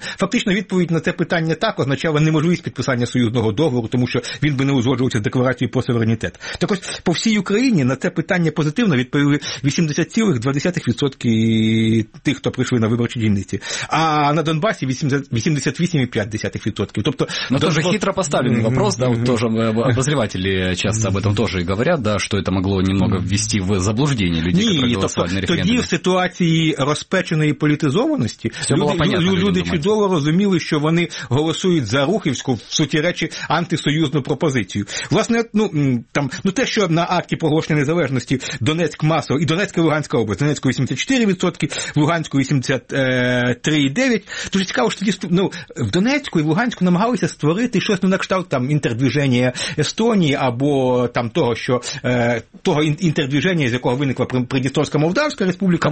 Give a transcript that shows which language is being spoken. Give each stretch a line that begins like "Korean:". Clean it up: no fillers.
Ukrainian: Фактично відповідь на це питання так означала неможливість підписання союзного договору, тому що він би не узгоджувався з декларацією про суверенітет. Так ось, по всій Україні на це питання позитивно відповіли 80,2% тих, хто прийшли на виборчі дільниці, а на Донбасі 88,5%. Тобто, дуже хитро поставлений
Russian: вопрос, да, тоже обозреватели часто об этом тоже говорят, да, что это могло немного ввести в заблуждение людей, ні, которые голосовали на референдуме.
Ukrainian: Тоді в ситуації розпеченої політизованості люди чудово розуміли, що вони голосують за рухівську, в суті речі, антисоюзну пропозицію. Власне, те, що на акті проголошення незалежності Донецьк масово, і Донецька, і Луганська область, Донецьку 84%, Луганську 83,9%, дуже цікаво, що тоді, в Донецьку і в Луганську намагалися створити щось на кшталт там інтердвіження Естонії або там того, що того інтердвіження, з якого виникла Придністровська Молдавська Республіка.